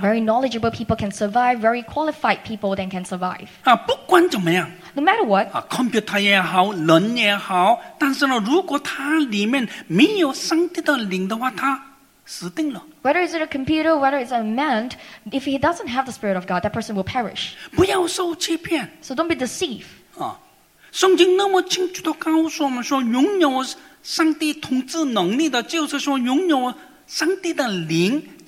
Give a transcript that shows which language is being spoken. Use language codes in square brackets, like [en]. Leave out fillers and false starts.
[en] Very knowledgeable people can survive. Very qualified people then can survive. [zh] 不管怎么样。 [en] No matter what, [zh] computer也好，人也好，但是呢，如果它里面没有上帝的灵的话，它死定了。 [en] Whether it's a computer, whether it's a man, if he doesn't have the spirit of God, that person will perish. [zh] 不要受欺骗。 [en] So don't be deceived. [zh] 圣经那么清楚地告诉我们说，拥有上帝统治能力的，就是说拥有上帝的灵。